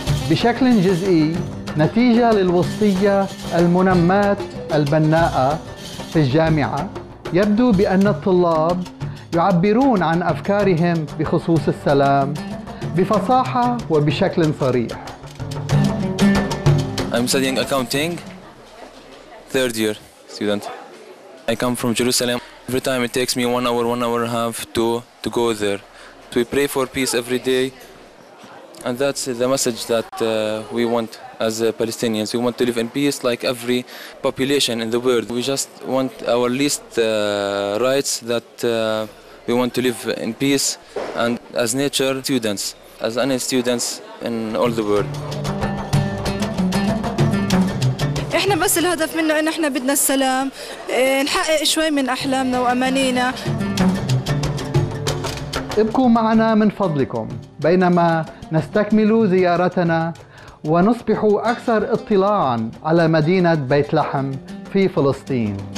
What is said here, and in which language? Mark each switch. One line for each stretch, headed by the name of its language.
Arabic: بشكل جزئي نتيجة للوصية المنماة البناءة في الجامعة، يبدو بأن الطلاب يعبرون عن أفكارهم بخصوص السلام بفصاحة وبشكل صريح.
English: I'm studying accounting, third year student. I come from Jerusalem. Every time it takes me one hour and a half to go there. We pray for peace every day. And that's the message that we want as Palestinians. We want to live in peace like every population in the world. We just want our least rights, that we want to live in peace and as nature students, as any students in all the world.
Arabic: احنا بس الهدف منه ان احنا بدنا السلام، نحقق شوي من احلامنا وامانينا. ابقوا معنا من فضلكم بينما نستكمل زيارتنا ونصبح أكثر اطلاعاً على مدينة بيت لحم في فلسطين.